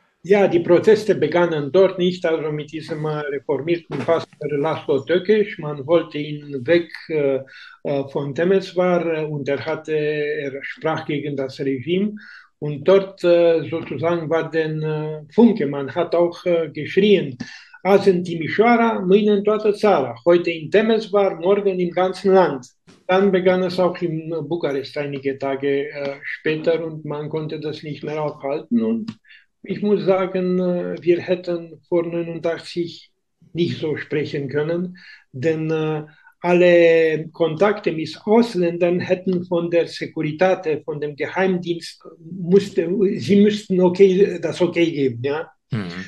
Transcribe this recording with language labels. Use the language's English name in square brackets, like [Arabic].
[German] Ja, die Proteste begannen dort nicht, also mit diesem reformierten Pastor Laszlo Tökes. Man wollte ihn weg von Temeswar und er sprach gegen das Regime. Und dort sozusagen war denn Funke. Man hat auch geschrien: [Romanian] Azi în Timișoara, mâine in toată țara. [German] Heute in Temeswar, morgen im ganzen Land. Dann begann es auch in Bukarest einige Tage später und man konnte das nicht mehr aufhalten. Und ich muss sagen, wir hätten vor 89 nicht so sprechen können, denn alle Kontakte mit Ausländern hätten von der Securitate, von dem Geheimdienst, sie müssten okay geben. Ja?